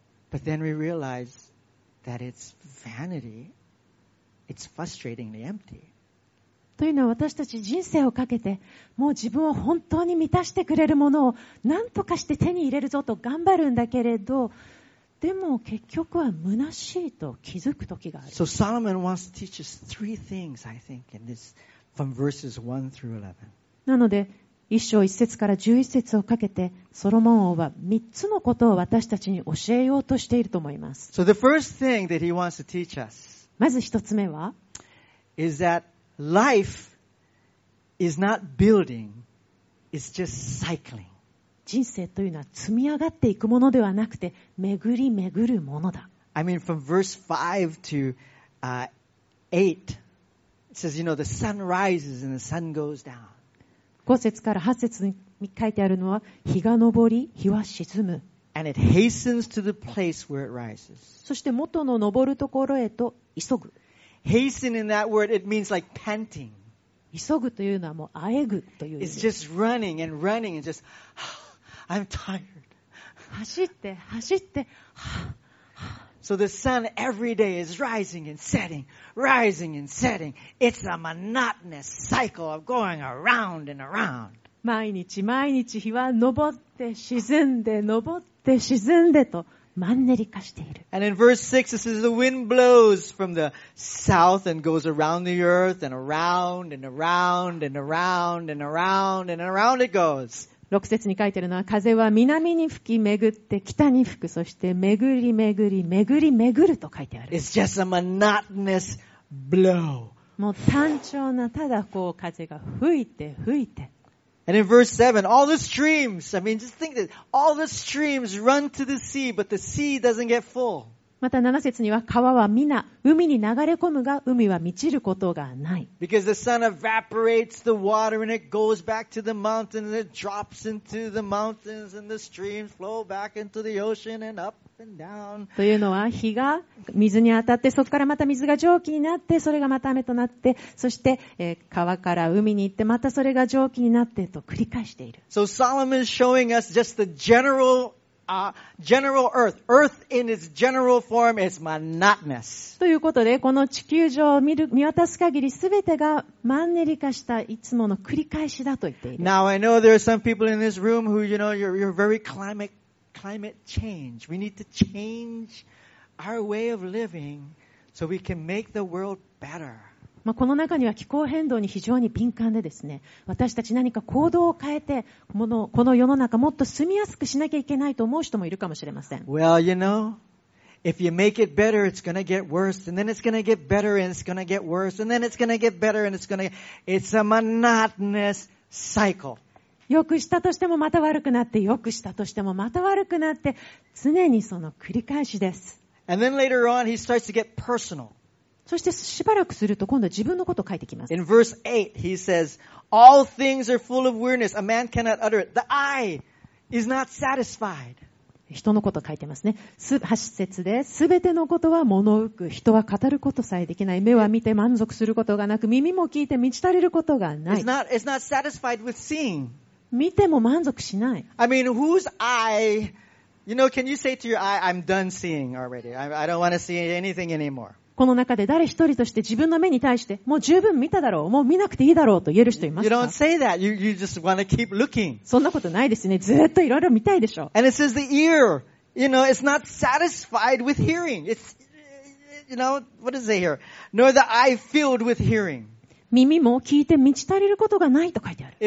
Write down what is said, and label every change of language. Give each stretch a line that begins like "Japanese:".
English: But then we realize that it's vanity. It's frustratingly empty.
Japanese: というのは私たち人生をかけてもう自分を本当に満たしてくれるものを何とかして手に入れるぞと頑張るんだけれどでも結局は虚しいと気づく時がある。
English: So Solomon wants to teach us three things, I think, in this, from verses 1 through 11.
Japanese: なので一章一節から十一節をかけてソロモン王は三つのことを私たちに教えようとしていると思います。
English: So the first thing that he wants to teach us,
Japanese: まず一つ目は
English: is that life is not building, it's just cycling.
Japanese: 人生というのは積み上がっていくものではなくて巡り巡るものだ。
English: I mean, from verse 5 to 8, it says, you know, the sun rises and the sun goes down.
Japanese: 5節から8節に書いてあるのは、日が昇り、日は沈む。
English: And it hastens to the place where it rises.
Japanese: そして元の昇るところへと急ぐ。
English: Hasten in that word, it means like panting.
Japanese: 急ぐというのはもうあえぐという意味です。
English: It's just running and running and just, I'm tired.
Japanese: 走って、走って、
English: So the sun every day is rising and setting, rising and setting. It's a monotonous cycle of going around and around.
Japanese: 毎日毎日日は昇って沈んで昇って沈んでとマンネリ化している。
English: And in verse 6 it says the wind blows from the south and goes around the earth and around and around and around and around and around it goes.
Japanese: 6節に書いてるのは、風は南に吹き巡って北に吹く、そして巡り巡り巡り巡ると書いてある。
English: It's just a monotonous blow.
Japanese: もう単調な、ただこう風が吹いて吹いて。
English: And in verse 7, all the streams, I mean, just think this, all the streams run to the sea, but the sea doesn't get full.
Japanese: また7節には、川は皆海に流れ込むが、海は満ちることがない。
English: Because the sun evaporates the water and it goes back to the mountains and it drops into the mountains and the streams flow back into the ocean and up and down.
Japanese: というのは、日が水に当たって、そこからまた水が蒸気になって、それがまた雨となって、そして、川から海に行って、またそれが蒸気になってと繰り返している。
English: So Solomon is showing us just the generalgeneral earth. Earth in its general form is monotonous.
Japanese: ということで、この地球上を見渡す限り、すべてがマンネリ化したいつもの繰り返しだと言っている。
English: Now I know there are some people in this room who, you know, you're very climate change. We need to change our way of living so we can make the world better.
Japanese: まあ、この中には気候変動に非常に敏感でですね、私たち何か行動を変えて、この世の中もっと住みやすくしなきゃいけないと思う人もいるかもしれません。
English: Well, you know, if you make it better, it's gonna get worse, and then it's gonna get better, and it's gonna get worse, and then it's gonna get better, and it's a monotonous cycle.
Japanese: 良くしたとしてもまた悪くなって、良くしたとしてもまた悪くなって、常にその繰り返しです。
English: And then later on, he starts to get personal.
Japanese: そしてしばらくすると今度は自分のことを書いてきます。
English: In verse 8, he says, All things are full of weirdness. A man cannot utter it. The eye is not satisfied.
Japanese: 人のことを書いてますね。8節で、すべてのことは物浮く。人は語ることさえできない。目は見て満足することがなく、耳も聞いて満ち足りることがない。
English: It's not satisfied with seeing.
Japanese: 見ても満足しない。
English: I mean, whose eye, you know, can you say to your eye, I'm done seeing already. I don't want to see anything anymore.
Japanese: この中で誰一人として自分の目に対してもう十分見ただろう、もう見なくていいだろうと言える人いますか？
English: You don't say that. You just want to keep looking.
Japanese: そんなことないですね。ずっといろいろ見たいでしょう。
English: And it says the ear, you know, it's not satisfied with hearing. It's, you know, what does it say here? Nor the eye filled with hearing.
Japanese: 耳も聞いて満ち足りることがないと書いてある。